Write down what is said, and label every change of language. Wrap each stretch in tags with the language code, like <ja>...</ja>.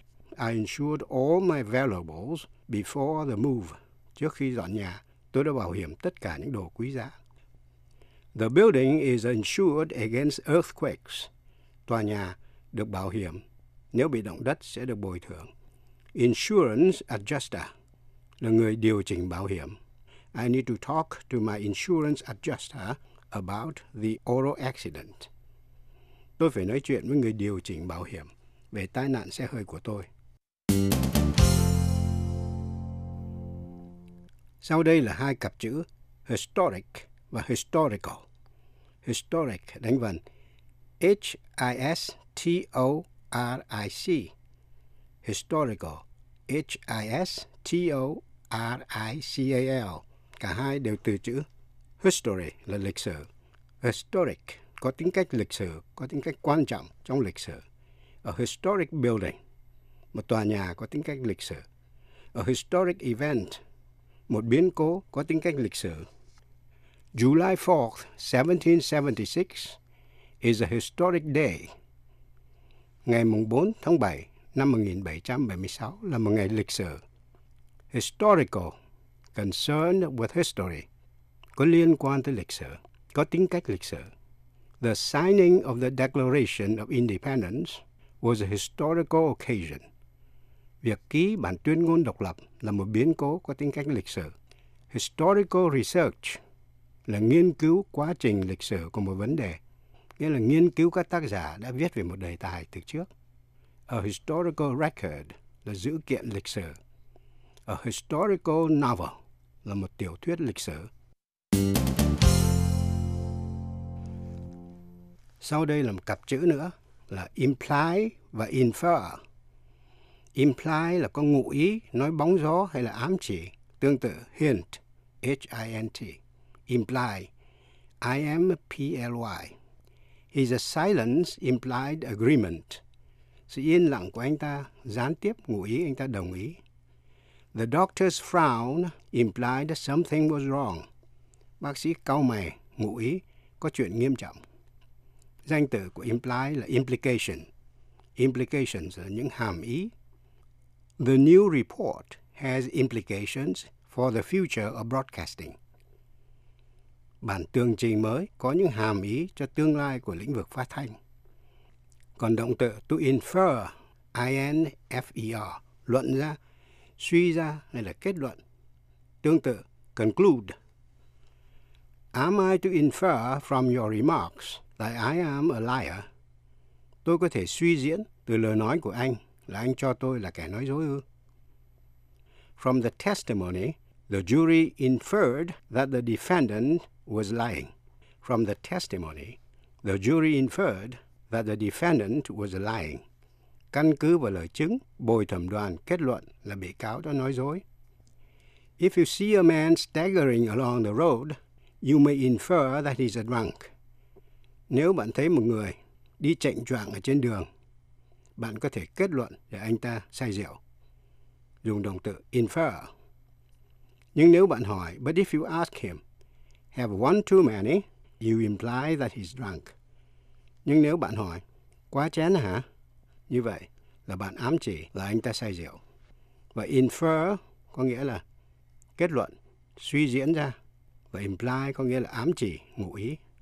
<en>I insured all my valuables before the move.</en> <vi>Trước khi dọn nhà, tôi đã bảo hiểm tất cả những đồ quý giá.</vi> <en>The building is insured against earthquakes.</en> <vi>Tòa nhà được bảo hiểm. Nếu bị động đất sẽ được bồi thường. Insurance adjuster là người điều chỉnh bảo hiểm.</vi> <en>I need to talk to my insurance adjuster about the auto accident.</en> <vi>tôi phải nói chuyện với người điều chỉnh bảo hiểm về tai nạn xe hơi của tôi. Sau đây là hai cặp chữ historic và historical. Historic đánh vần H-I-S-T-O-R-I-C. Historical, H-I-S-T-O-R-I-C-A-L. Cả hai đều từ chữ history là lịch sử. Historic có tính cách lịch sử, có tính cách quan trọng trong lịch sử.</vi> <en>A historic building,</en> <vi>một tòa nhà có tính cách lịch sử.</vi> <en>A historic event,</en> <vi>một biến cố có tính cách lịch sử.</vi> <en>July 4th, 1776 is a historic day.</en> <vi>Ngày 4 tháng 7 năm 1776 là một ngày lịch sử. Historical,</vi> <en>concerned with history,</en> <vi>có liên quan tới lịch sử, có tính cách lịch sử.</vi> <en>The signing of the Declaration of Independence was a historical occasion.</en> <vi>Việc ký bản tuyên ngôn độc lập là một biến cố có tính cách lịch sử. Historical research là nghiên cứu quá trình lịch sử của một vấn đề, nghĩa là nghiên cứu các tác giả đã viết về một đề tài từ trước.</vi> <en>A historical record</en> <vi>là dữ kiện lịch sử.</vi> <en>A historical novel</en> <vi>là một tiểu thuyết lịch sử. Sau đây là một cặp chữ nữa là imply và infer. Imply là có ngụ ý, nói bóng gió hay là ám chỉ, tương tự hint, H-I-N-T.</vi> <en>Imply, I-M-P-L-Y. His silence implied agreement.</en> <vi>Sự yên lặng của anh ta gián tiếp ngụ ý anh ta đồng ý.</vi> <en>The doctor's frown implied that something was wrong.</en> <vi>Bác sĩ cau mày, ngụ ý, có chuyện nghiêm trọng. Danh từ của imply là implication. Implications là những hàm ý.</vi> <en>The new report has implications for the future of broadcasting.</en> <vi>Bản tường trình mới có những hàm ý cho tương lai của lĩnh vực phát thanh. Còn động từ to infer, I-N-F-E-R, luận ra, suy ra hay là kết luận. Tương tự, conclude.</vi> <en>Am I to infer from your remarks that I am a liar?</en> <vi>Tôi có thể suy diễn từ lời nói của anh là anh cho tôi là kẻ nói dối ư?</vi> <en>From the testimony, the jury inferred that the defendant was lying. From the testimony, the jury inferred that the defendant was lying.</en> <vi>Căn cứ vào lời chứng, bồi thẩm đoàn kết luận là bị cáo đã nói dối.</vi> <en>If you see a man staggering along the road, you may infer that he's a drunk.</en> <vi>Nếu bạn thấy một người đi chệnh choạng ở trên đường, bạn có thể kết luận là anh ta say rượu. Dùng động từ infer. Nhưng nếu bạn hỏi,</vi> <en>but if you ask him, have one too many, you imply that he's drunk.</en> <vi>Nhưng nếu bạn hỏi, quá chén hả? Như vậy là bạn ám chỉ là anh ta say rượu. Và infer có nghĩa là kết luận, suy diễn ra. Và imply có nghĩa là ám chỉ, ngụ ý.</vi>